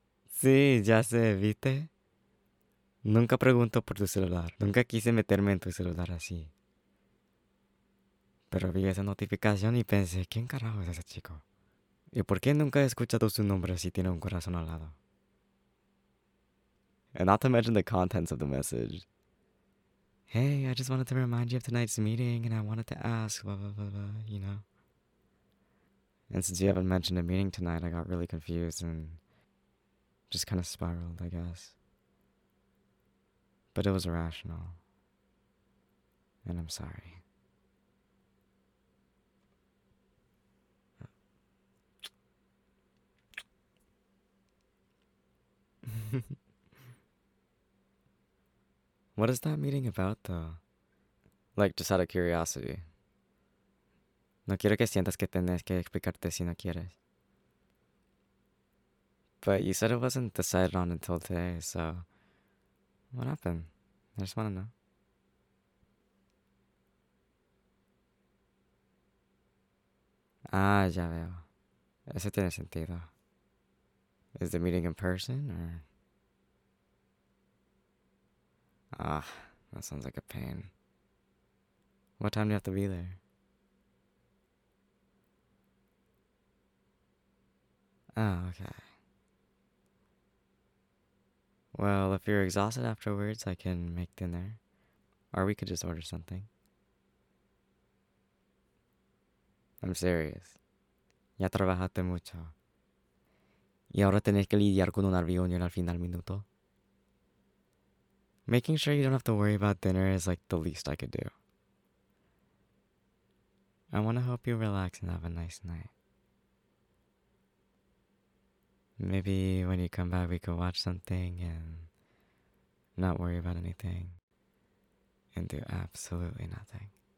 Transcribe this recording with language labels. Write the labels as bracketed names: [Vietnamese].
[Spanish] Sí, ya sé, ¿viste? Nunca pregunto por tu celular. Nunca quise meterme en tu celular así. Pero vi esa notificación y pensé, ¿quién carajo es ese chico? ¿Y por qué nunca he escuchado su nombre si tiene un corazón al lado? [English] And not to mention the contents of the message. Hey, I just wanted to remind you of tonight's meeting and I wanted to ask, blah, blah, blah, blah, you know? And since you haven't mentioned a meeting tonight, I got really confused and just kind of spiraled, I guess. But it was irrational. And I'm sorry. What is that meeting about, though? Like, just out of curiosity. [Spanish] No quiero que sientas que tienes que explicarte si no quieres. [English] But you said it wasn't decided on until today, so... What happened? I just want to know. [Spanish] Ah, ya veo. Ese tiene sentido. [English] Is the meeting in person, or...? Ah, that sounds like a pain. What time do you have to be there? Oh, okay. Well, if you're exhausted afterwards, I can make dinner. Or we could just order something. I'm serious. [Spanish] Ya trabajaste mucho. Y ahora tenés que lidiar con una reunión al final minuto. [English] Making sure you don't have to worry about dinner is like the least I could do. I want to help you relax and have a nice night. Maybe when you come back, we could watch something and not worry about anything and do absolutely nothing.